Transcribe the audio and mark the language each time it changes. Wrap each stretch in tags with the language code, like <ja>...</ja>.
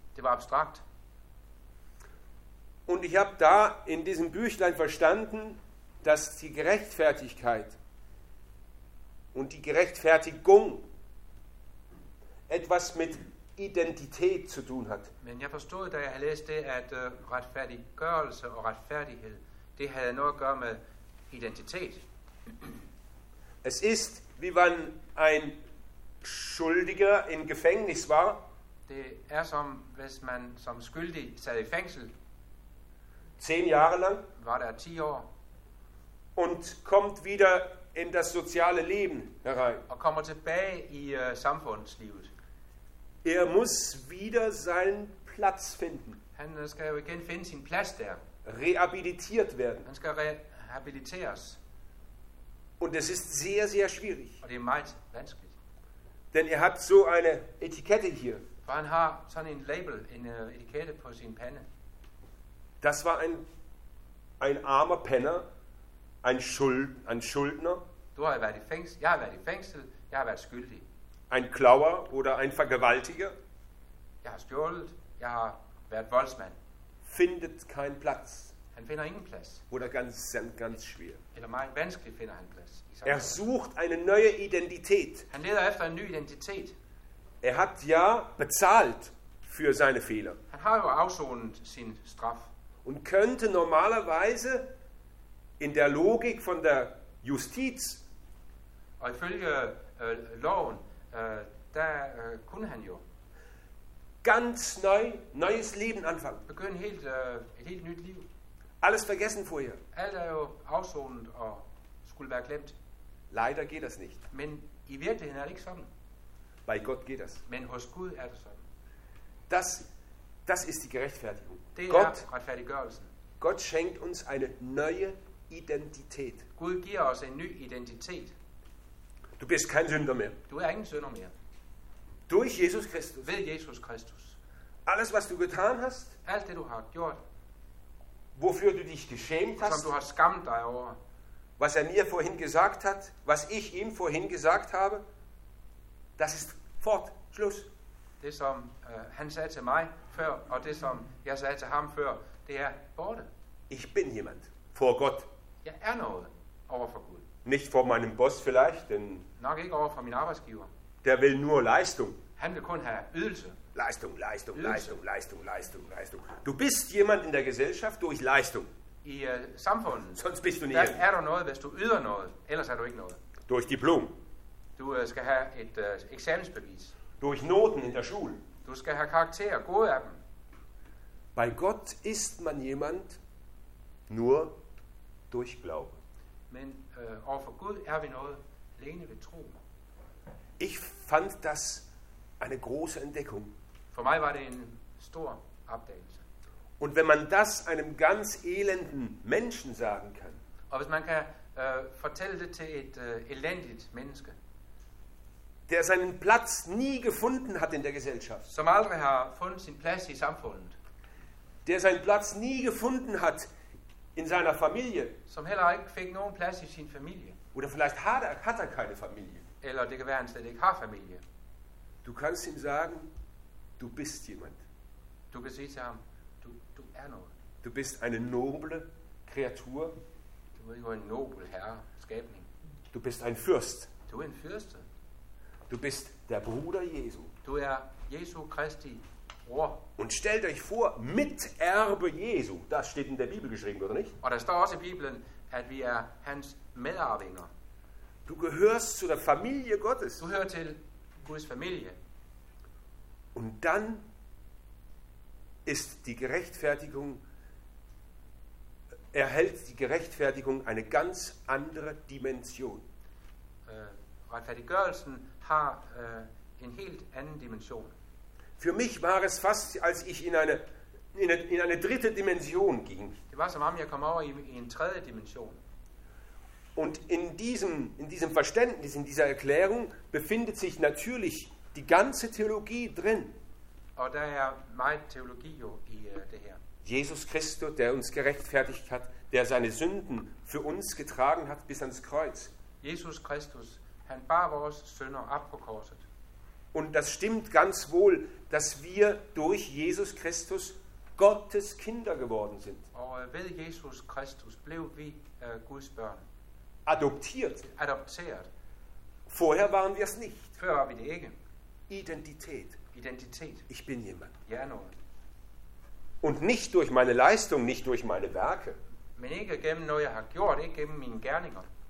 <de>Das war abstrakt. Und ich habe da in diesem Büchlein verstanden, dass die Gerechtfertigkeit und die Gerechtfertigung etwas mit Identität zu tun hat.</de> <da>Men jeg forstod, da jeg havde læst det, at retfærdiggørelse og retfærdighed, det havde noget at gøre med identitet.</da> <de>Es ist, wie wenn ein Schuldiger in Gefängnis war.</de> <da>Det er som, hvis man som skyldig sad i fængsel.</da> <de>10 Jahre lang.</de> <da>War der 10 år.</da> <de>Und kommt wieder in das soziale Leben herein.</de> <da>Og kommer tilbage i samfundslivet.</da> <de>Er muss wieder seinen Platz finden.</de> <da>Han skal jo igen finde sin plads der.</da> <de>Rehabilitiert werden.</de> <da>Han skal rehabiliteres.</da> <de>Und es ist sehr, sehr schwierig.</de> <da>Og det er meget vanskeligt.</da> <de>Denn er hat so eine Etikette hier.</de> <da>For han har sådan en label, en etikette på sin pande.</da> <de>Das war ein armer Penner, ein Schuldner.</de> <da>Du har været i fængsel, jeg har været i fængsel, jeg har været skyldig.</da> <de>Ein Klauer oder ein Vergewaltiger?</de> <da>Jeg har stjålet. Jeg har været voldsmand.</da> <de>Findet keinen Platz.</de> <da>Han finder ingen plads.</da> <de>Oder ganz, ganz schwer.</de> <da>Eller meget vanskeligt finder han plads.</da> <de>Er sucht eine neue Identität.</de> <da>Han leder efter en ny identitet.</da> <de>Er hat ja bezahlt für seine Fehler.</de> <da>Han har jo afsonet sin straf.</da> <de>Und könnte normalerweise in der Logik von der Justiz.</de> <da>Og ifølge loven. Der kunne han jo</da> <de>ganz neu, neues Leben anfangen.</de> <da>Begynde et helt nyt liv.</da> <de>Alles vergessen vorher.</de> <da>Alt er jo afsonet og skulle være glemt.</da> <de>Leider geht das nicht.</de> <da>Men i virkeligheden er det ikke sådan.</da> <de>Bei Gott geht das.</de> <da>Men hos Gud er det sådan.</da> <de>Das ist die Gerechtfertigung.</de> <da>Det Gott, er retfærdiggørelsen.</da> <de>Gott schenkt uns eine neue Identität.</de> <da>Gud giver os en ny identitet.</da> <de>Du bist kein Sünder mehr.</de> <da>Du er ingen sønder mere.</da> <de>Durch Jesus Christus.</de> <da>Ved Jesus Christus.</da> <de>Alles was du getan hast.</de> <da>Alt det du har gjort.</da> <de>Wofür du dich geschämt hast.</de> <da>Som du har skammet dig over.</da> <de>Was er mir vorhin gesagt hat. Was ich ihm vorhin gesagt habe. Das ist fort. Schluss.</de> <da>Det som han sagde til mig før. Og det som jeg sagde til ham før. Det er borte.</da> <de>Ich bin jemand. Vor Gott.</de> <da>Jeg er noget. Overfor Gud.</da> <de>Nicht vor meinem Boss vielleicht, denn</de> <da>nok ikke over for min arbejdsgiver.</da> <de>Der will nur Leistung.</de> <da>Han vil kun have ydelse.</da> <de>Leistung, Leistung, ydelse. Leistung, Leistung, Leistung, Leistung. Du bist jemand in der Gesellschaft durch Leistung.</de> <da>I samfundet.</da> <de>Sonst bist du nicht.</de> <da>Er du noget, hvis du yder noget, ellers er du ikke noget.</da> <de>Durch Diplom.</de> <da>Du skal have et eksamensbevis.</da> <de>Durch Noten in der Schule.</de> <da>Du skal have karakterer, gode af dem.</da> <de>Bei Gott ist man jemand nur durch Glauben.</de> <da>Men overfor Gud er vi noget alene ved tro.</da> <de>Ich fand das eine große Entdeckung.</de> <da>For mig var det en stor opdagelse.</da> <de>Und wenn man das einem ganz elenden Menschen sagen kann.</de> <da>Og hvis man kan fortælle det til et elendigt menneske.</da> <de>Der seinen Platz nie gefunden hat in der Gesellschaft.</de> <da>Som aldrig har fundet sin plads i samfundet.</da> <de>Der seinen Platz nie gefunden hat in seiner Familie.</de> <da>Som heller ikke fik nogen plads i sin familie.</da> <de>Oder vielleicht hat er keine Familie.</de> <da>Eller det kan være, han slet ikke har familie.</da> <de>Du kannst ihm sagen, du bist jemand.</de> <da>Du kan sige til ham, du er noget.</da> <de>Du bist eine noble Kreatur.</de> <da>Du er jo en nobel herre, skabning.</da> <de>Du bist ein Fürst.</de> <da>Du er en fyrste.</da> <de>Du bist der Bruder Jesu.</de> <da>Du er Jesu Christi. Oh.</da> <de>Und stellt euch vor, Miterbe Jesu, das steht in der Bibel geschrieben, oder nicht? Und da steht auch in der Bibel, dass wir hans Miterbinger. Du gehörst zu der Familie Gottes.</de> <da>Du hörst til Guds Familie.</da> <de>Und dann ist die Gerechtfertigung, erhält die Gerechtfertigung eine ganz andere Dimension.</de> <da>Rettfertiggørelsen har en helt anden dimension.</da> <de>Für mich war es fast, als ich in eine dritte Dimension ging.</de> <da>Det var som om jeg kom over i en tredje dimension.</da> <de>Und in diesem Verständnis, in dieser Erklärung befindet sich natürlich die ganze Theologie drin.</de> <da>Og der er meget teologi jo i det her.</da> <de>Jesus Christus, der uns gerechtfertigt hat, der seine Sünden für uns getragen hat bis ans Kreuz.</de> <da>Jesus Christus, han bar vores synder op på korset.</da> <de>Und das stimmt ganz wohl, dass wir durch Jesus Christus Gottes Kinder geworden sind.</de> <da>Og ved Jesus Christus blev vi Guds børn. Adopteret.</da> <de>Vorher waren wir es nicht.</de> <da>Før var vi det ikke.</da> <de>Identität. Ich bin jemand. Ja, nur. Und nicht durch meine Leistung, nicht durch meine Werke.</de> <da>Men ikke gennem noget jeg har gjort, ikke gennem mine gerninger.</da>